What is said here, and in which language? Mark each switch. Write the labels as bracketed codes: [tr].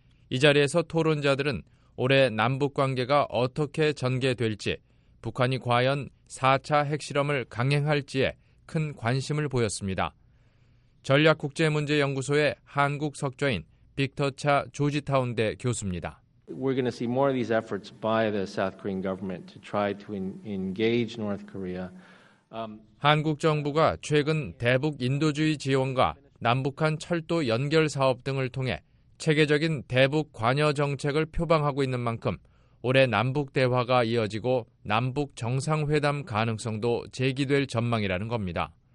[ko] 이 자리에서 토론자들은 올해 남북관계가 어떻게 전개될지, 북한이 과연 4차 핵실험을 강행할지에 큰 관심을 보였습니다. 전략국제문제연구소의 한국 석좌인 빅터 차 조지타운대 교수입니다. [en] We're going to see more of these efforts by the South Korean government to try to engage North Korea. [ko] 한국 정부가 최근 대북 인도주의 지원과 남북한 철도 연결 사업 등을 통해 체계적인 대북 관여 정책을 표방하고 있는 만큼 올해 남북 대화가 이어지고 남북 정상회담 가능성도 제기될 전망이라는 겁니다.